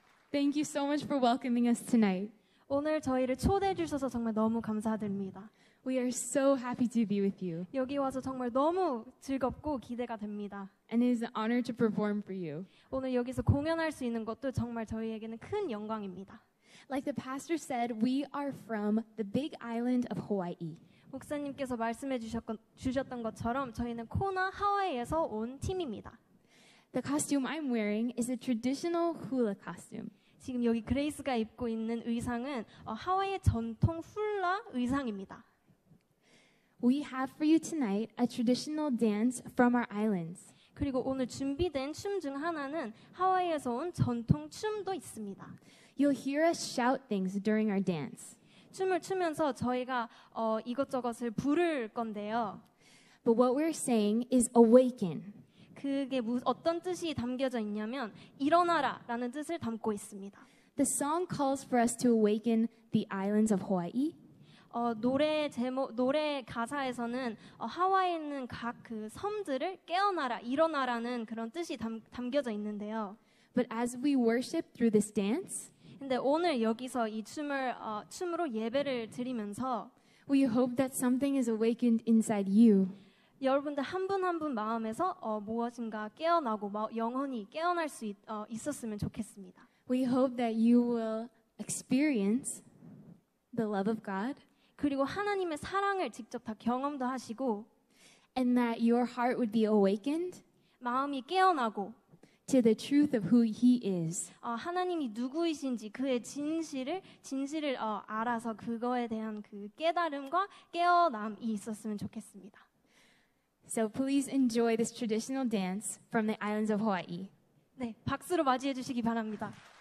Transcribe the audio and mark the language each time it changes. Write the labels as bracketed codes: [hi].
[en] Thank you so much for welcoming us tonight. [ko] 오늘 저희를 초대해 주셔서 정말 너무 감사드립니다. [en] We are so happy to be with you. [ko] 여기 와서 정말 너무 즐겁고 기대가 됩니다. [en] And it is an honor to perform for you. [ko] 오늘 여기서 공연할 수 있는 것도 정말 저희에게는 큰 영광입니다. [en] Like the pastor said, we are from the big island of Hawaii. [ko] 목사님께서 말씀해 주셨던 것처럼 저희는 코나 하와이에서 온 팀입니다. [en] The costume I'm wearing is a traditional hula costume. [ko] 지금 여기 그레이스가 입고 있는 의상은 하와이의 전통 훌라 의상입니다. [en] We have for you tonight a traditional dance from our islands. [ko] 그리고 오늘 준비된 춤 중 하나는 하와이에서 온 전통 춤도 있습니다. [en] You'll hear us shout things during our dance. [ko] 춤을 추면서 저희가 이것저것을 부를 건데요. [en] But what we're saying is awaken. [ko] 그게 어떤 뜻이 담겨져 있냐면 일어나라라는 뜻을 담고 있습니다. [en] The song calls for us to awaken the islands of Hawaii. [ko] 노래 가사에서는 하와이에 있는 각 그 섬들을 깨어나라, 일어나라는 그런 뜻이 담겨져 있는데요. [en] But as we worship through this dance, [ko] 근데 오늘 여기서 이 춤을 춤으로 예배를 드리면서 [en] we hope that something is awakened inside you. [ko] 여러분들 한 분 한 분 마음에서 무엇인가 깨어나고 영원히 깨어날 수 있었으면 좋겠습니다. [en] We hope that you will experience the love of God. [ko] 그리고 하나님의 사랑을 직접 다 경험도 하시고 [en] and that your heart would be awakened. [ko] 마음이 깨어나고 [en] to the truth of who he is. [ko] 하나님이 누구이신지 그의 진실을 알아서 그거에 대한 그 깨달음과 깨어남이 있었으면 좋겠습니다. [en] So please enjoy this traditional dance from the islands of Hawaii. [ko] 네, 박수로 맞이해 주시기 바랍니다.